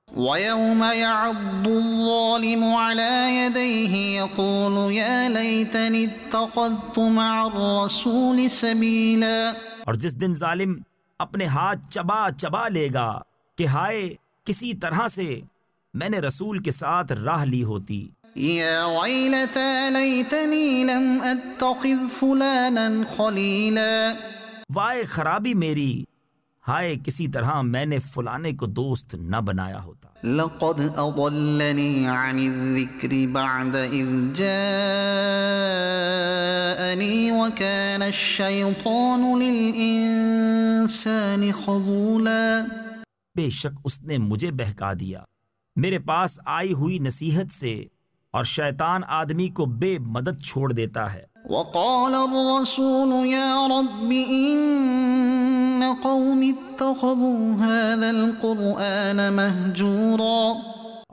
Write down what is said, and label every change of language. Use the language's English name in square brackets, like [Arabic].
[Arabic] وَيَوْمَ يَعَضُّ الظَّالِمُ عَلَى يَدَيْهِ يَقُولُ يَا لَيْتَنِي اتَّخَذْتُ مَعَ الرَّسُولِ سَبِيلًا، [Urdu] اور جس دن ظالم اپنے ہاتھ چبا چبا لے گا کہ ہائے کسی طرح سے میں نے رسول کے ساتھ راہ لی ہوتی۔ [Arabic] يا ويلتا ليتني لم اتخذ فلانا خليلا، [Urdu] وائے خرابی میری، ہائے کسی طرح میں نے فلانے کو دوست نہ بنایا ہوتا۔ [Arabic] لقد اضلني عن الذكر بعد اذ جاءني وكان الشيطان للانسان خذولا، [Urdu] بے شک اس نے مجھے بہکا دیا میرے پاس آئی ہوئی نصیحت سے، اور شیطان آدمی کو بے مدد چھوڑ دیتا ہے۔ [Arabic] وَقَالَ الرَّسُولُ يَا رَبِّ إِنَّ قَوْمِ اتَّخَذُوا هَذَا الْقُرْآنَ مَهْجُورًا،